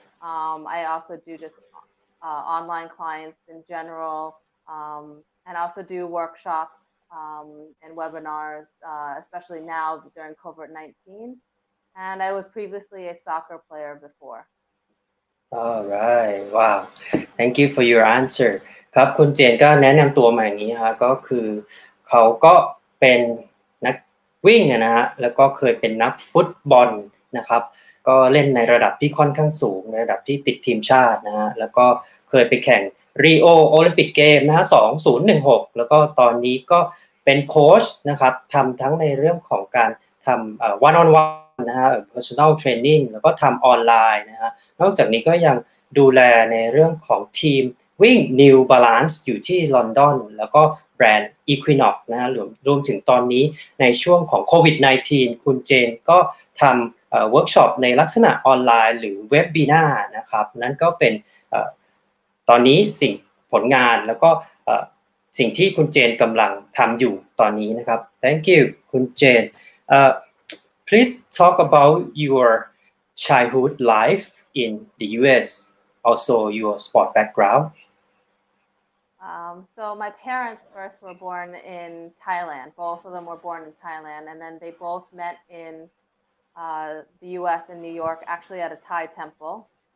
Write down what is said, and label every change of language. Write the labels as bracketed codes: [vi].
[en] I also do just online clients in general, and also do workshops and webinars, especially now during COVID-19. And I was previously a soccer player before. All right. Wow. Thank you for your answer. [th] ครับ คุณเจนก็แนะนำตัวมาอย่างนี้ฮะ ก็คือเขาก็เป็นวิ่งนะฮะแล้วก็เคยเป็นนักฟุตบอลนะครับก็เล่นในระดับที่ค่อนข้างสูงในระดับที่ติดทีมชาตินะฮะแล้วก็เคยไปแข่งรีโอโอลิมปิกเกมนะฮะ 2016แล้วก็ตอนนี้ก็เป็นโค้ชนะครับทำทั้งในเรื่องของการทำone on one นะฮะ personal training แล้วก็ทำออนไลน์นะฮะนอกจากนี้ก็ยังดูแลในเรื่องของทีมวิ่ง New Balance อยู่ที่ลอนดอนแล้วก็แบรนด์ Equinox นะฮะรวมถึงตอนนี้ในช่วงของโควิด-19 คุณเจนก็ ทำเวิร์กช็อปในลักษณะออนไลน์หรือเว็บบีน่านะครับนั่นก็เป็นตอนนี้สิ่งผลงานแล้วก็สิ่งที่คุณเจนกำลังทำอยู่ตอนนี้นะครับ [en] Thank you, Khun Chen. Please talk about your childhood life in the US, also your sport background. So my parents first were born in Thailand. Both of them were born in Thailand, and then they both met in the US in New York, actually at a Thai temple.